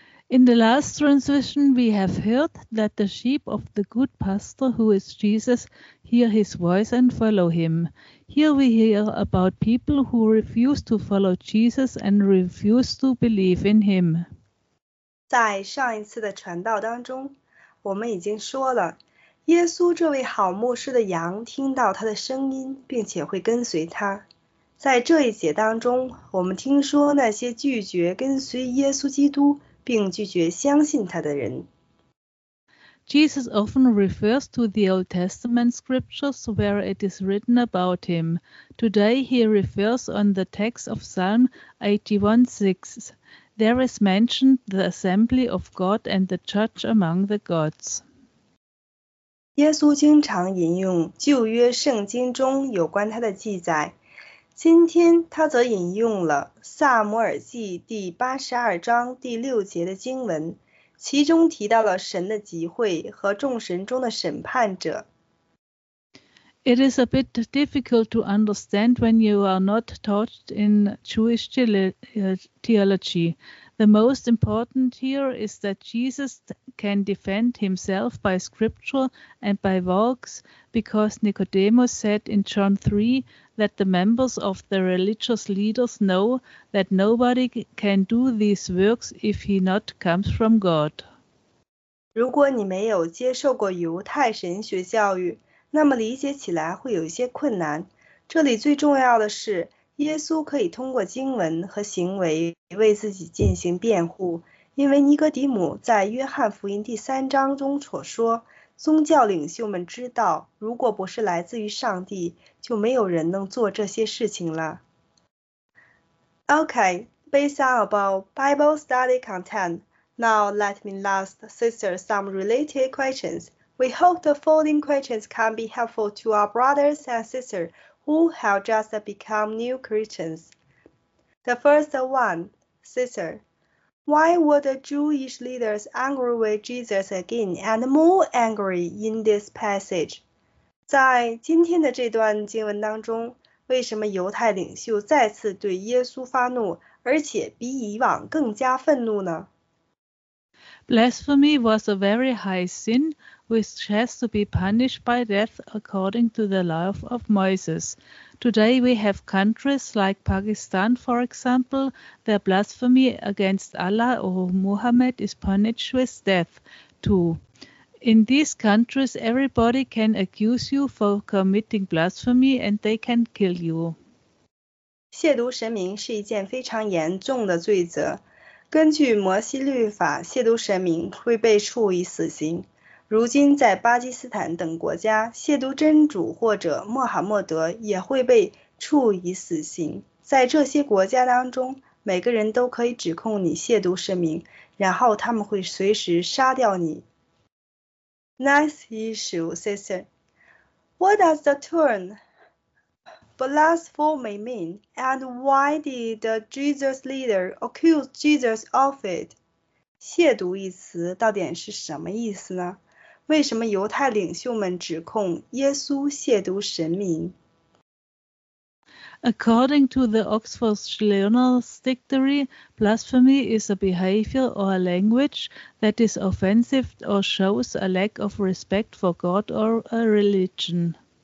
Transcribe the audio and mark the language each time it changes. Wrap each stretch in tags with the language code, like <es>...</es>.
<en>In the last transition, we have heard that the sheep of the good pastor, who is Jesus, hear his voice and follow him. Here we hear about people who refuse to follow Jesus and refuse to believe in him.</en> <zh>在上一次的传道当中，我们已经说了，耶稣这位好牧师的羊听到他的声音，并且会跟随他。在这一节当中，我们听说那些拒绝跟随耶稣基督并拒绝相信他的人。</zh> <en>Jesus often refers to the Old Testament scriptures where it is written about him. Today he refers on the text of Psalm 81:6. There is mentioned the assembly of God and the judge among the gods.</en> <zh>耶稣经常引用旧约圣经中有关他的记载。今天他则引用了撒母耳记第82章第6节的经文，其中提到了神的集会和众神中的审判者。</zh> <en>It is a bit difficult to understand when you are not taught in Jewish theology. The most important here is that Jesus can defend himself by scripture and by works, because Nicodemus said in John 3 that the members of the religious leaders know that nobody can do these works if he not comes from God.</en> <zh>如果你没有接受过犹太神学教育，那么理解起来会有一些困难。这里最重要的是，耶稣可以通过经文和行为为自己进行辩护，因为尼哥底母在约翰福音第三章中所说，宗教领袖们知道，如果不是来自于上帝，就没有人能做这些事情了。</zh> <en>Okay, based on about Bible study content, now let me ask sister some related questions. We hope the following questions can be helpful to our brothers and sisters who have just become new Christians. The first one, sister, why were the Jewish leaders angry with Jesus again and more angry in this passage?</en> <zh>在今天的这段经文当中，为什么犹太领袖再次对耶稣发怒，而且比以往更加愤怒呢？</zh> <en>Blasphemy was a very high sin, which has to be punished by death according to the law of Moses. Today we have countries like Pakistan, for example, where blasphemy against Allah or Muhammad is punished with death, too. In these countries, everybody can accuse you for committing blasphemy and they can kill you.</en> <zh>亵渎神明是一件非常严重的罪责。根据摩西律法，亵渎神明会被处以死刑。如今在巴基斯坦等国家，亵渎真主或者穆罕默德也会被处以死刑。在这些国家当中，每个人都可以指控你亵渎神明，然后他们会随时杀掉你。</zh> <en>Nice issue, sister. What does the term blasphemy mean, and why did the Jesus leader accuse Jesus of it?</en> <zh>亵渎一词到底是什么意思呢？为什么犹太领袖们指控耶稣亵渎神明？</zh> <en>According to the Oxford Learner's Dictionary, blasphemy is a behavior or a language that is offensive or shows a lack of respect for God or a religion.</en>